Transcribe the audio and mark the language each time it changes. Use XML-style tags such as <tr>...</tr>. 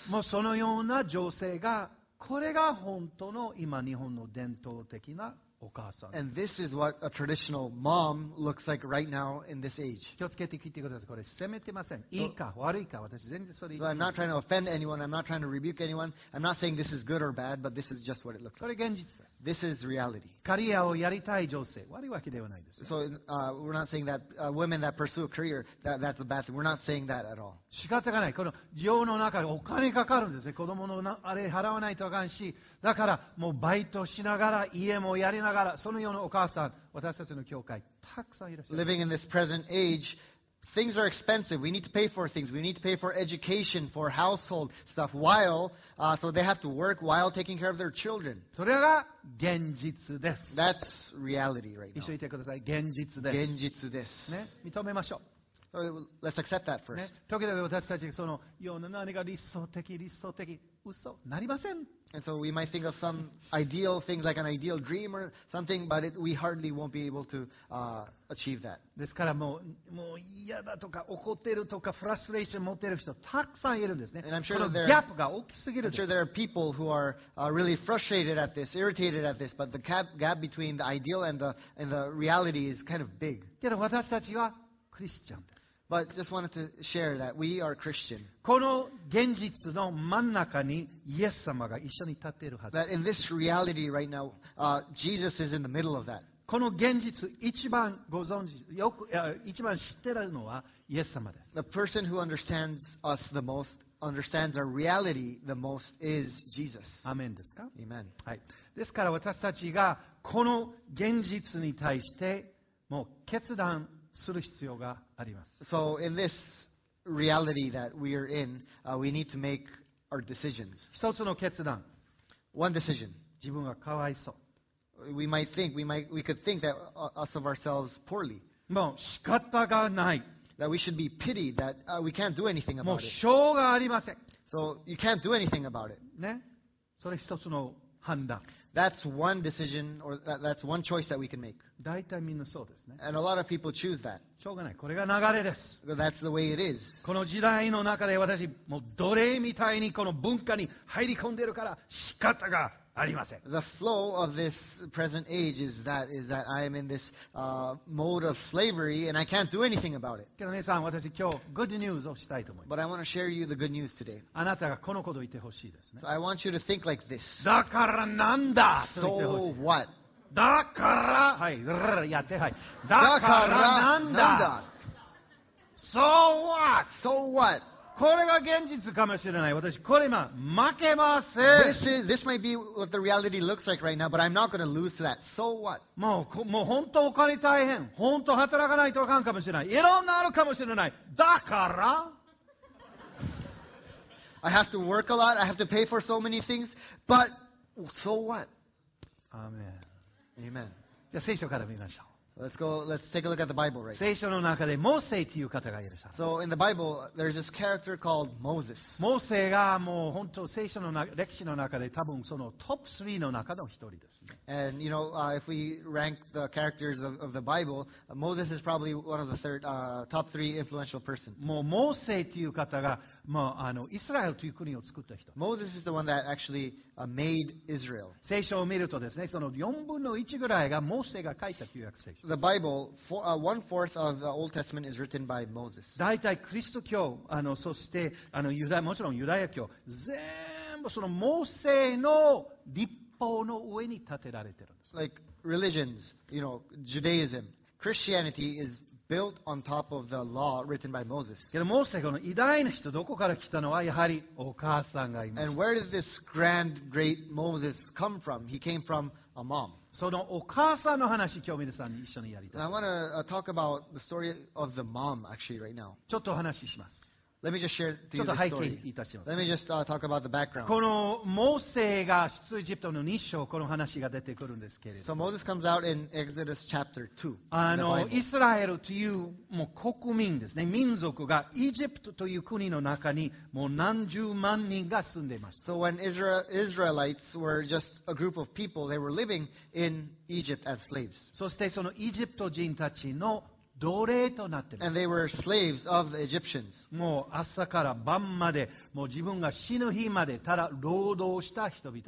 <ja>もうそのような女性が、これが本当の今日本の伝統的なお母さん。</ja> <en>And this is what a traditional mom looks like right now in this age。</en> <ja>気をつけて聞いてください。これ責めてません。いいか悪いか、私全然それ。</ja> <en>So I'm not trying to offend anyone. I'm not trying to rebuke anyone. I'm not saying this is good or bad, but this is just what it looks like。</en> <ja>これ現実です。</ja> <en>This is reality.</en> <ja>Career をやりたい女性、悪いわけではないです。</ja> <en>So, we're not saying that women that pursue a career that's a bad thing. We're not saying that at all.</en> <ja>仕方がない。この事業の中でお金かかるんですね。子供のあれ払わないとあかんし、だからもうバイトしながら家もやりながらそのようなお母さん、私たちの教会たくさんいらっしゃる。</ja> <en>Living in this present age. Things are expensive. We need to pay for things. We need to pay for education, for household stuff. While, so they have to work while taking care of their children.</en> <ja>それが現実です。</ja> <en>That's reality right now.</en> <ja>一緒に言ってください。現実です。現実です。ね、認めましょう。</ja> <en>So, let's accept that first.</en> <ja>ね、時々私たちその世の何が理想的、嘘なりません。</ja> <en>And so we might think of some ideal things like an ideal dream or something, but we hardly won't be able to achieve that.</en> <ja>ですからもう嫌だとか怒ってるとかフラストレーション持ってる人たくさんいるんですね。</ja> <en>And I'm sure</en> <ja>このギャップが大きすぎる。</ja> <en>I'm sure there are people who are really frustrated at this, irritated at this, but the gap between the ideal and the reality is kind of big.</en> <ja>けど私たちはクリスチャンです。</ja> <en>But just wanted to share that we are Christian.</en> <ja>この現実の真ん中にイエス様が一緒に立っているはず。</ja> <en>That in this reality right now, Jesus is in the middle of that.</en> <ja>この現実一番ご存知よく一番知ってるのはイエス様です。</ja> <en>The person who understands us the most, understands our reality the most, is Jesus.</en> <ja>アメンですか？</ja> <en>Amen.</en> <ja>はい。ですから私たちがこの現実に対してもう決断する必要があります。</ja> <en>So in this reality that we are in, we need to make our decisions.</en> <ja>一つの決断。</ja> <en>One decision.</en> <ja>自分はかわいそう。</ja> <en>We might think, we could think that us of ourselves poorly.</en> <ja>もう仕方がない。</ja> <en>That we should be pitied, that we can't do anything about it.</en> <ja>もうしょうがありません。</ja> <en>So you can't do anything about it.</en> <ja>ね。それ一つの判断。</ja> <en>That's one decision or that's one choice that we can make.</en> <ja>大体みんなそうですね。</ja> <en>And a lot of people choose that.</en> <ja>しょうがない。これが流れです。</ja> <en>That's the way it is.</en> <ja>この時代の中で私、もう奴隷みたいにこの文化に入り込んでるから仕方がありません。</ja> <en>The flow of this present age is that I am in this mode of slavery and I can't do anything about it.</en> <ja>けど皆さん、私今日</ja> <en>good news</en> <ja>をしたいと思います。</ja> <en>But I want to share you the good news today.</en> <ja>あなたがこのことを言ってほしいですね。</ja> <en>So I want you to think like this.</en> <ja>だからなんだ。</ja> <en>So what?</en> <ja>だから。はい。やってはい。だからなんだ。なんだ。</ja> <en>So what? So what?</en> <ja>これが現実かもしれない。私これ今負けません。</ja> <en>This might be what the reality looks like right now, but I'm not going to lose to that. So what?</en> <ja>もう本当お金大変。本当働かないとあかんかもしれない。いろんなあるかもしれない。だから。</ja> <en>I have to work a lot. I have to pay for so many things. But so what? Amen. Amen.</en> <ja>じゃあ聖書から見ましょう。</ja> <en>Let's take a look at the Bible right now.</en> <ja>聖書の中でモーセという方がいる。</ja> <en>So in the Bible, there's this character called Moses.</en> <ja>モーセがもう本当聖書の歴史の中で多分そのトップ3の中の一人ですね。</ja> <en>And you know, if we rank the characters of the Bible, Moses is probably one of the top three influential person.</en> <ja>もうモーセという方がもうイスラエルという国を作った人。</ja> <en>Moses is the one that actually made Israel.</en> <ja>聖書を見るとですね、その4分の1ぐらいがモーセが書いた旧約聖書。</ja> <en>The Bible, one-fourth of the Old Testament is written by Moses.</en> <ja>だいたいクリスト教、そしてユダヤ、もちろんユダヤ教、全部そのモーセの立法の上に建てられてるんです。</ja> <en>Like religions, you know, Judaism, Christianity is built on top of the law written by Moses.</en> <ja>けどモーセこの偉大な人どこから来たのはやはりお母さんがいました。</ja> <en>And where did this grand, great Moses come from? He came from a mom.</en> <ja>そのお母さんの話今日皆さんに一緒にやりたい。</ja> <en>I want to talk about the story of the mom actually right now.</en> <ja>ちょっとお話しします。</ja> <en>Let me just share to you the story.</en> <ja>ちょっと背景いたします。</ja> <en>Let me just talk about the background.</en> <ja>このモーセが出エジプトの2章この話が出てくるんですけれど。</ja> <en>So Moses comes out in Exodus chapter 2.</en> <ja>イスラエルというもう国民ですね、民族がエジプトという国の中にもう何十万人が住んでいました。</ja> <en>So when Israelites were just a group of people, they were living in Egypt as slaves.</en> <ja>そしてそのエジプト人たちの奴隷となっている。</ja> <en>And they were slaves of the Egyptians.</en> <ja>もう朝から晩まで、もう自分が死ぬ日までただ労働した人々。</ja>